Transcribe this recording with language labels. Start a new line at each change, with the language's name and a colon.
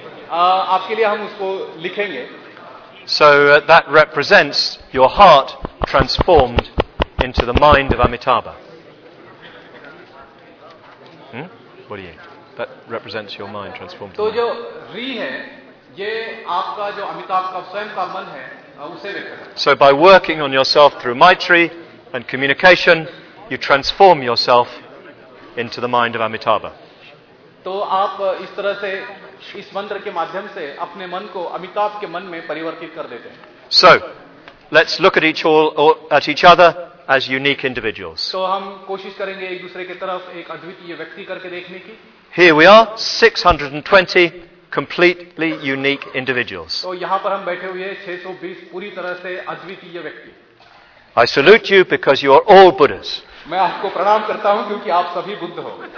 Hindi: आपके लिए हम उसको लिखेंगे.
English: So that represents your heart transformed into the mind of Amitabha. What do you? That represents your mind transformed.
Hindi: तो जो ri है ये आपका जो अमिताभ का स्वयं का मन है उसे व्यक्त करता है.
English: So by working on yourself through Maitri and communication, you transform yourself into the mind of Amitabha.
Hindi: तो आप इस तरह से इस मंत्र के माध्यम से अपने मन को अमिताभ के मन में परिवर्तित कर देते हैं.
English: So let's look at each other as unique individuals.
Hindi: तो हम कोशिश करेंगे एक दूसरे की तरफ एक अद्वितीय व्यक्ति करके देखने की.
English: Here we are, 620 completely unique individuals.
Hindi: तो यहाँ पर हम बैठे हुए 620 पूरी तरह से अद्वितीय व्यक्ति.
English: I salute you because you are all Buddhas.
Hindi: मैं आपको प्रणाम करता हूँ क्योंकि आप सभी बुद्ध हो.